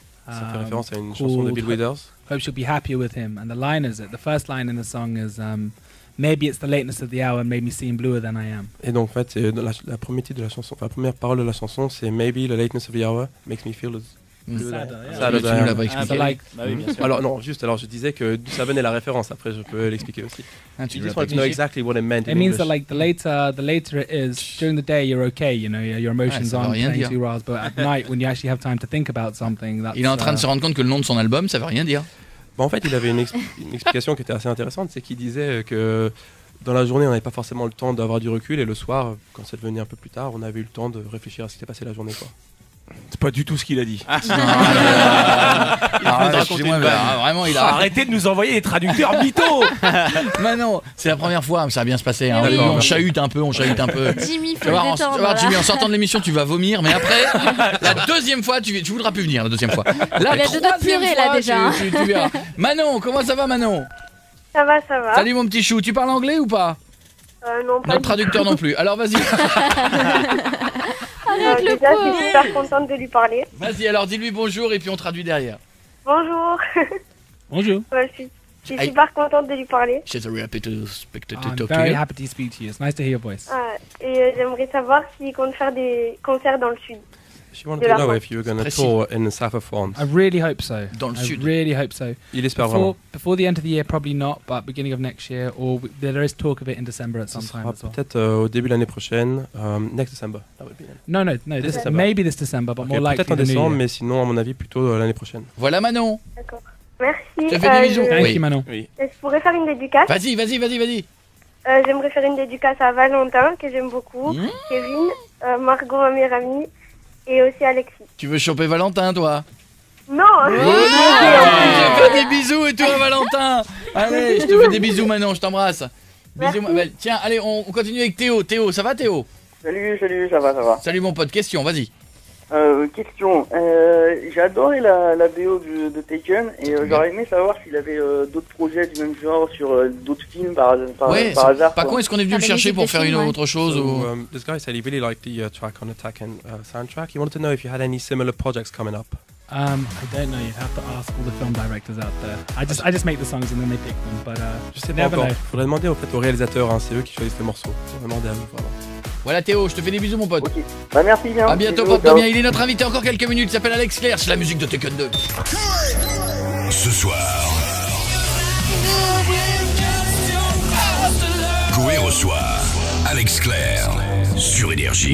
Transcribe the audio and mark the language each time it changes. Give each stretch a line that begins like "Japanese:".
French: Ça fait référence à une chanson de Bill Withers.
English: Hope she'll be happier with him. And the line is it. The first line in the song is maybe it's the lateness of the hour made me seem bluer than I am.
French: Et donc en fait, c'est la première titre de la chanson, la première parole de la chanson, c'est maybe the lateness of the hour makes me feel
English: sadder.
French: Tu nous l'avais expliqué. Alors non, juste. Alors je disais que d'où ça venait la référence. Après, je peux l'expliquer aussi.
English: You just want to know exactly what it meant. It means that like the later it is during the day, you're okay. You know, your emotions aren't playing too roles. But at night, when you actually have time to think about something, that's.
French: Il est en train de se rendre compte que le nom de son album, ça veut rien dire. Bon, en fait, il avait une explication qui était assez intéressante, c'est qu'il disait que dans la journée, on n'avait pas forcément le temps d'avoir du recul, et le soir, quand c'est devenu un peu plus tard, on avait eu le temps de réfléchir à ce qui s'est passé la journée, quoi. C'est pas du tout ce qu'il a dit. Vraiment, il a arrêté de nous envoyer des traducteurs mythos. Manon, c'est la première fois, mais ça a bien se passer. Hein. Oui. On chahute un peu. Jimmy, faut le détendre. Tu vois, Jimmy, en sortant de l'émission, tu vas vomir, mais après, la deuxième fois, tu voudras plus venir. La deuxième fois. Là, il a deux doigts purés là déjà. Manon, comment ça va, Manon? Ça va. Salut mon petit chou, tu parles anglais ou pas? Non, pas. Notre traducteur non plus. Alors vas-y. Déjà, je suis super contente de lui parler. Vas-y, alors dis-lui bonjour et puis on traduit derrière. Bonjour. Bonjour. Je suis super contente de lui parler.
English: She's very happy to speak to you. I'm very happy to speak to you. It's nice to hear your voice.
French: Et j'aimerais savoir s'il compte faire des concerts dans le sud.
English: She wanted to know if you were going to tour in the south of France. I really hope so.
French: Dans le sud.
English: I really hope so.
French: Il espère vraiment.
English: Before the end of the year, probably not, but beginning of next year, or there is talk of it in December at some time as well.
French: Peut-être au début de l'année prochaine, next December, that would be.
English: No, this December. Maybe this December, but more likely
French: peut-être en décembre, mais sinon, à mon avis, plutôt l'année prochaine. Voilà Manon. D'accord. Merci. Je fais des bisous. Merci Manon. Je pourrais faire une dédicace. Vas-y. J'aimerais faire une dédicace à Valentin, que j'aime beaucoup, Kevin, Margot, ma meilleure amie. Et aussi Alexis. Tu veux choper Valentin, toi? Non. Je te fais des bisous et tout à Valentin. Allez, je te fais des bisous, Manon, je t'embrasse. Bisous. Merci. Tiens, allez, on continue avec Théo. Théo, ça va, Théo? Salut, ça va. Salut, mon pote, question, vas-y. Question, j'adorais la BO de Taken et j'aurais aimé savoir s'il avait d'autres projets du même genre sur d'autres films par hasard. Pas con, est-ce qu'on est venu le chercher pour faire une autre chose?
English: This guy said he really liked the track on the Taken soundtrack. He wanted to know if you had any similar projects coming up. I don't know. You'd have to ask all the film directors out there. I just make the songs and then they pick them. But
French: je sais pas
English: never
French: encore.
English: Know.
French: Faudrait demander en fait aux réalisateurs. Hein, c'est eux qui choisissent les morceaux. Faudrait demander à eux. Voilà. Voilà Théo, je te fais des bisous mon pote. Okay. Bah, merci bien. À bientôt pour Damien. Il est notre invité encore quelques minutes. Il s'appelle Alex Clair. C'est la musique de Tekken 2. Ce soir. Koué reçoit Alex Clair sur Énergie.